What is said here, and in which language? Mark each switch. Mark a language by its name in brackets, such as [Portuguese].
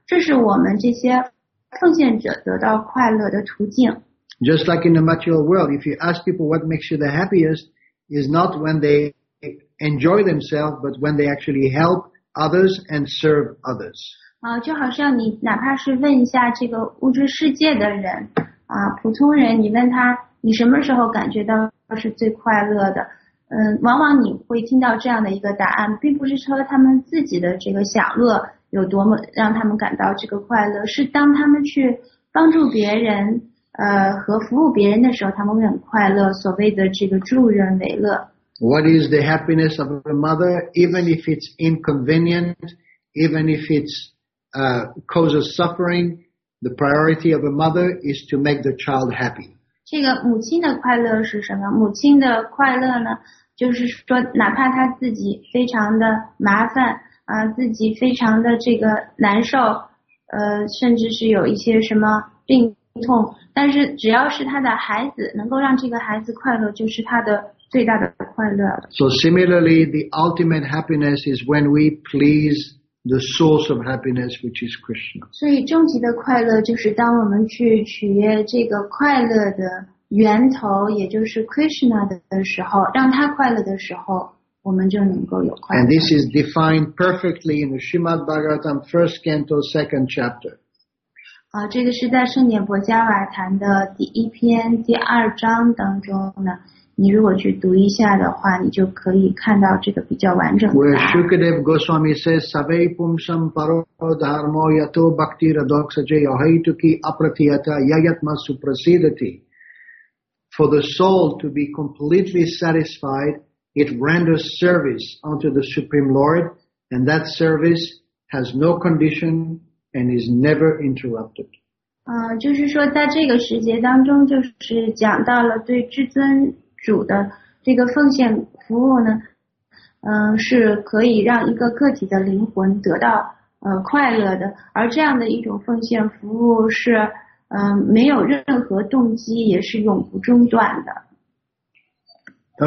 [Chinese] 这是我们这些奉献者得到快乐的途径。 [English] Just like in the material world, if you ask people what makes you the happiest,is not when they enjoy themselves, but when they actually help others and serve others. [Chinese] 就好像你哪怕是问一下这个物质世界的人，普通人，你问他你什么时候感觉到是最快乐的，往往你会听到这样的一个答案，并不是说他们自己的这个享乐有多么让他们感到这个快乐，是当他们去帮助别人和服务别人的时候，他们会很快乐，所谓的这个助人为乐。 [English] What is the happiness of a mother, even if it's inconvenient, even if it's causes suffering, the priority of a mother is to make the child happy. [Chinese] 这个母亲的快乐是什么？母亲的快乐呢，就是说哪怕她自己非常的麻烦，自己非常的这个难受，甚至是有一些什么病痛，但是只要是他的孩子能够让这个孩子快乐，就是他的最大的快乐。 [English] So similarly, the ultimate happiness is when we please the source of happiness, which is Krishna. [Chinese] 所以终极的快乐就是当我们去取悦这个快乐的源头，也就是 Krishna 的时候，让他快乐的时候，我们就能够有快乐。 [English] And this is defined perfectly in the Srimad Bhagavatam, first canto, second chapter. [Chinese] 这个是在圣典博伽瓦坛的第一篇第二章当中呢，你如果去读一下的话，你就可以看到这个比较完整的。 [English] Where Shukadev Goswami says, [Sanskrit] "Sabe pumsam paro dharma yato bhakti radoksa jaya haituki apratiyata yayatma suprasidati." [English] For the soul to be completely satisfied, it renders service unto the Supreme Lord, and that service has no condition. And is never interrupted. [Chinese] 就是说在这个时节当中，就是讲到了对至尊主的这个奉献服务呢，是可以让一个个体的灵魂得到快乐的。而这样的一种奉献服务是没有任何动机，也是永不中断的。